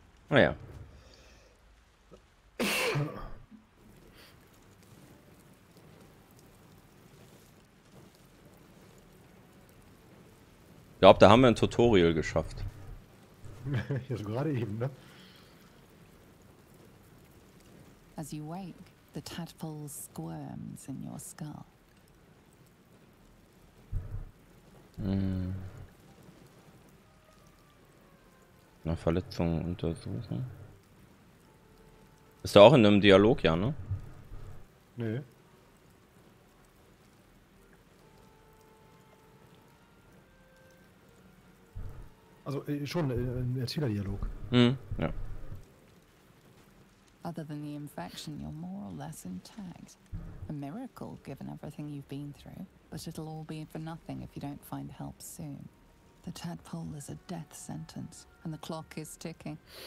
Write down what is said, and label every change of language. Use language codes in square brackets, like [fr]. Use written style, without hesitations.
[de] Naja. Ich glaube, da haben wir ein Tutorial geschafft. Ja, so gerade eben, ne? [en] As you wake, the tadpole squirms in your skull. [de] Na, Verletzungen untersuchen. Ist er auch in einem Dialog, ja, ne? Nee. Also schon ein Erzählerdialog. Ja. [en] Other than the infection, you're more or less intact. A miracle, given everything you've been through. But it'll all be for nothing if you don't find help soon. The tadpole is a death sentence, and the clock is ticking.